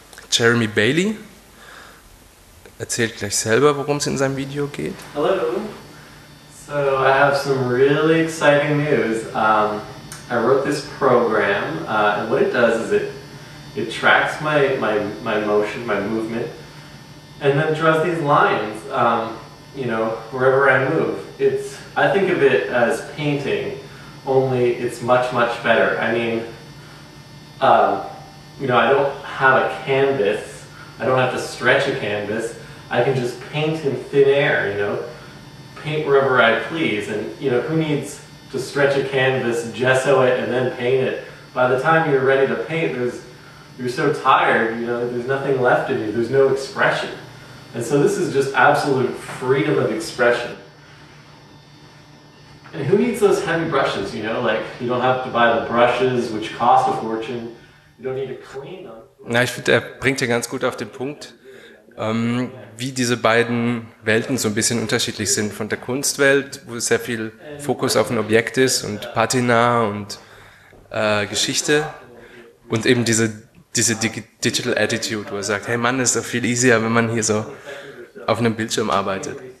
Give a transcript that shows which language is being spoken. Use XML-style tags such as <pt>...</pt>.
<de>Jeremy Bailey erzählt gleich selber, worum es in seinem Video geht.</de> <en>Hello. So I have some really exciting news. I wrote this program, and what it does is it tracks my motion, my movement, and then draws these lines, you know, wherever I move. I think of it as painting, only it's much, much better. I mean, you know, I don't have a canvas. I don't have to stretch a canvas. I can just paint in thin air, you know, paint wherever I please. And, you know, who needs to stretch a canvas, gesso it, and then paint it? By the time you're ready to paint, you're so tired, you know, there's nothing left in you. There's no expression. And so this is just absolute freedom of expression. And who needs those heavy brushes, you know? Like, you don't have to buy the brushes, which cost a fortune. You don't need to clean them.</en> <de>Na, ich finde, er bringt ja ganz gut auf den Punkt, wie diese beiden Welten so ein bisschen unterschiedlich sind. Von der Kunstwelt, wo sehr viel Fokus auf ein Objekt ist und Patina und Geschichte, und eben diese Digital Attitude, wo er sagt, hey Mann, ist doch viel easier, wenn man hier so auf einem Bildschirm arbeitet.</de>